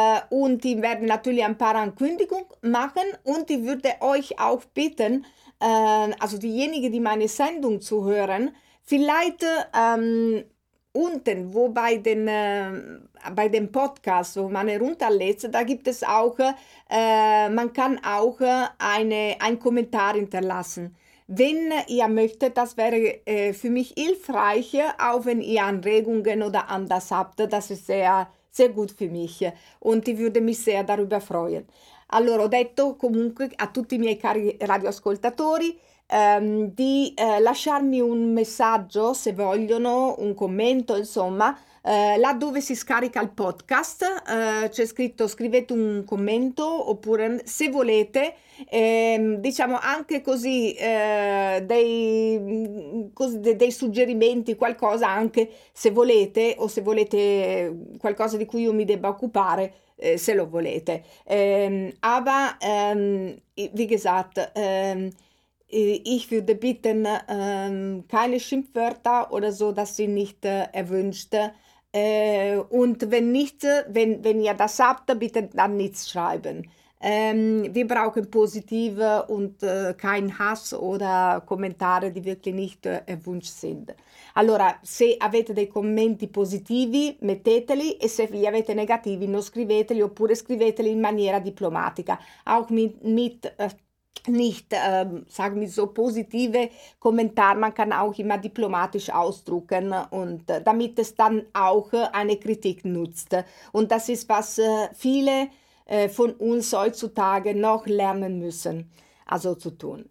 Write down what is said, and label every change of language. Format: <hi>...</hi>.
<de>Und ich werde natürlich ein paar Ankündigungen machen und ich würde euch auch bitten, also diejenigen, die meine Sendung zuhören, vielleicht unten, wo bei dem Podcast, wo man herunterlädt, da gibt es auch, man kann auch einen Kommentar hinterlassen. Wenn ihr möchtet, das wäre für mich hilfreich, auch wenn ihr Anregungen oder anders habt. Das ist sehr, sehr gut für mich und ich würde mich sehr darüber freuen.</de> <it>Allora, ho detto comunque a tutti i miei cari radioascoltatori di lasciarmi un messaggio se vogliono, un commento, insomma, là dove si scarica il podcast, c'è scritto scrivete un commento oppure se volete, diciamo anche così, dei suggerimenti, qualcosa anche se volete o se volete qualcosa di cui io mi debba occupare. Se lo volete.</it> <de>Aber, wie gesagt, ich würde bitten, keine Schimpfwörter oder so, das sind nicht erwünscht. Und wenn nicht, wenn ihr das habt, bitte dann nichts schreiben. Wir brauchen positive und kein Hass oder Kommentare, die wirklich nicht erwünscht sind.</de> <it>Allora, se avete dei commenti positivi, metteteli e se li avete negativi, non scriveteli oppure scriveteli in maniera diplomatica.</it> <de>Auch nicht, sagen wir so, positive Kommentare, man kann auch immer diplomatisch ausdrücken und damit es dann auch eine Kritik nutzt. Und das ist, was viele von uns heutzutage noch lernen müssen, also zu tun.</de>